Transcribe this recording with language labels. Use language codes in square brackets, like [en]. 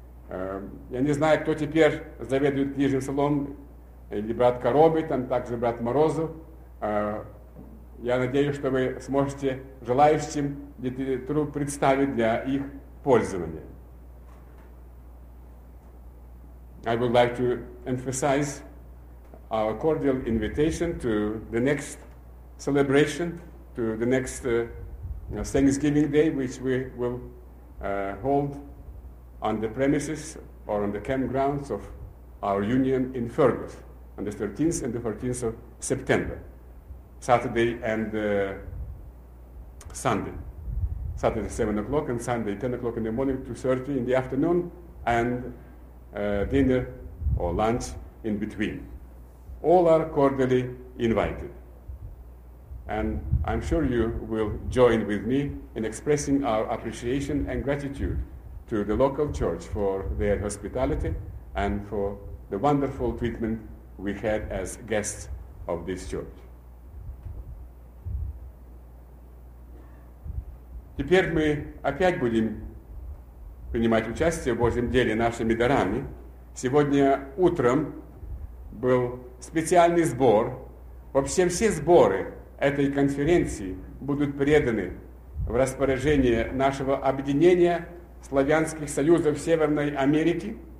[ru] Я не знаю, кто теперь заведует книжным столом, или брат Коробей, там также брат Морозов. Я надеюсь, что вы сможете желающим литературу представить для их пользования. [en] I would like to emphasize our cordial invitation to the next celebration, to the next Thanksgiving Day, which we will hold on the premises or on the campgrounds of our union in Fergus. On the 13th and the 14th of September, Saturday and Sunday. Saturday 7 o'clock and Sunday 10 o'clock in the morning, 2:30 in the afternoon, and dinner or lunch in between. All are cordially invited. And I'm sure you will join with me in expressing our appreciation and gratitude to the local church for their hospitality and for the wonderful treatment we had as guests of this church. [ru] Теперь мы опять будем принимать участие в Божьем деле нашими дарами. Сегодня утром был специальный сбор. Вообще все сборы этой конференции будут преданы в распоряжение нашего объединения славянских союзов Северной Америки.